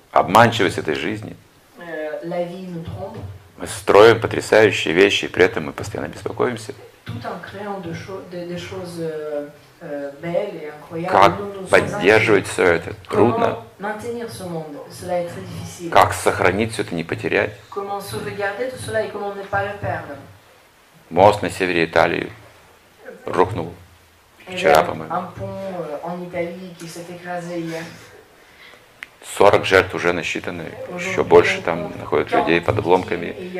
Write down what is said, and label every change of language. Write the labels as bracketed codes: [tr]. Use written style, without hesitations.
[ru] Обманчивость этой жизни. [fr] La vie nous trompe. [ru] Мы строим потрясающие вещи, и при этом мы постоянно беспокоимся. [fr] Tout en créant des choses belles et incroyables. [ru] Как поддерживать все это? Трудно. [fr] Maintenir ce monde, cela est très difficile. [ru] Как сохранить все это, не потерять? [fr] Comment sauvegarder tout cela et comment ne pas le perdre? [ru] Мост на севере Италии рухнул. Вчера, по-моему. [fr] Un pont en Italie qui s'est écrasé hier. [ru] 40 жертв уже насчитаны, еще больше там находят людей под обломками.